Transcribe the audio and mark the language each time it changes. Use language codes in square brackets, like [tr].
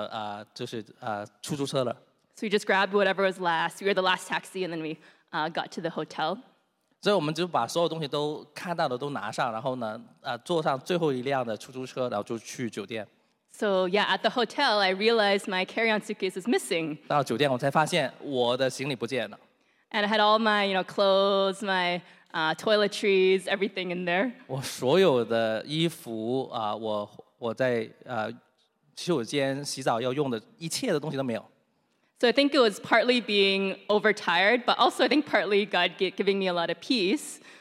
[zh] 因为在机场的时候呢，我那时候没有那个登机的行李，但是我们相信肯定有人帮我拿了我的行李，已经上了出租车了。 [en] So we just grabbed whatever was last. We were the last taxi, and then we got to the hotel. [zh] 所以我们就把所有东西都看到的都拿上，然后呢，坐上最后一辆的出租车，然后就去酒店。 [en] So yeah, at the hotel, I realized my carry-on suitcase was missing. [zh] 到酒店我才发现我的行李不见了。 [en] And I had all my, you know, clothes, my toiletries, everything in there. [zh] 我所有的衣服，我在洗手间洗澡要用的一切的东西都没有。 [en] So I think it was partly being overtired, but also I think partly God giving me a lot of peace.